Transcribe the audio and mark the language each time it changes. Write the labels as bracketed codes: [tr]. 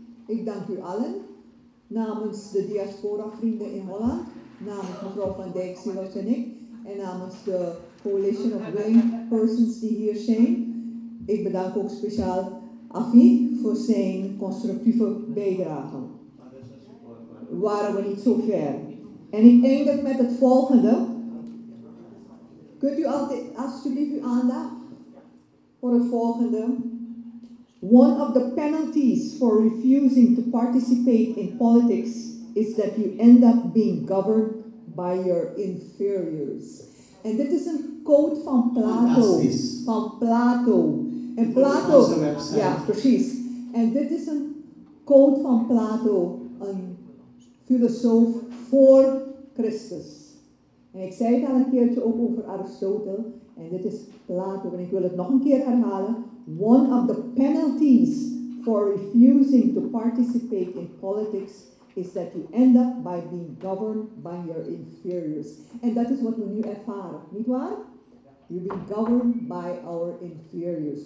[nl] Ik dank u allen. Namens de diaspora-vrienden in Holland, namens mevrouw Van Dijk, Silos en ik, en namens de Coalition of Willing Persons die hier zijn. Ik bedank ook speciaal Afi voor zijn constructieve bijdrage. Waren we niet zo ver? En ik eindig met het volgende. Kunt u alsjeblieft uw aandacht? [en] For the following, one of the penalties for refusing to participate in politics is that you end up being governed by your inferiors. And this is a quote from Plato. From Plato. And Plato. Yeah, precies. And this is a quote from Plato, a philosopher for Christus. And I said it [nl] al een keertje ook over Aristotle. En dit is Plato, en ik wil het nog een keer herhalen. [en] One of the penalties for refusing to participate in politics is that you end up by being governed by your inferiors. [nl] En dat is wat we nu ervaren, nietwaar? [en] You've been governed by our inferiors.